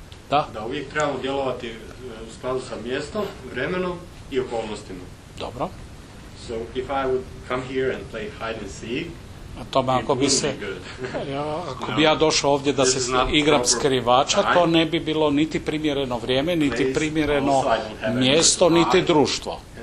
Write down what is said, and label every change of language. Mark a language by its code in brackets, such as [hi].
[hr] Da uvijek trebamo djelovati u skladu sa mjestom, vremenom i okolnostima. Dobro. [en] So if I would come here and play hide and seek, [hr] a tome, ako bi se, ako bi ja došao ovdje da se igram skrivača, to ne bi bilo niti primjereno vrijeme, niti primjereno mjesto, niti društvo.